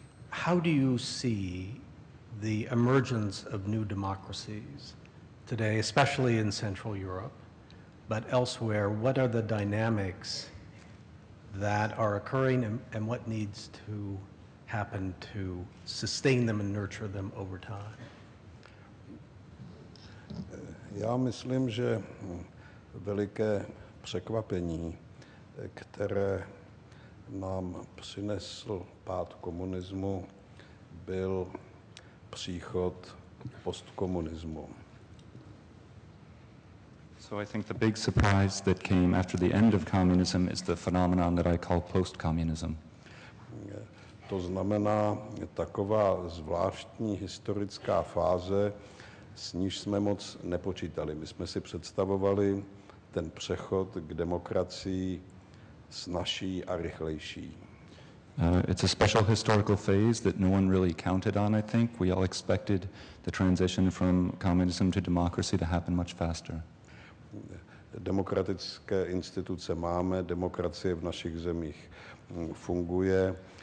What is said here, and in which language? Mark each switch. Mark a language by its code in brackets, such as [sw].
[en] How do you see the emergence of new democracies today, especially in Central Europe, but elsewhere? What are the dynamics that are occurring, and what needs to happen to sustain them and nurture them over time? [cs] Já myslím, že veliké překvapení, které nám přinesl pád komunismu, byl příchod postkomunismu. [en] So I think the big surprise that came after the end of communism is the phenomenon that I call post-communism. [cs] To znamená taková zvláštní historická fáze, s níž jsme moc nepočítali. My jsme si představovali ten přechod k demokracii snazší a rychlejší. [en] It's a special historical phase that no one really counted on, I think. We all expected the transition from communism to democracy to happen much faster. [cs] Demokratické instituce máme, demokracie v našich zemích funguje.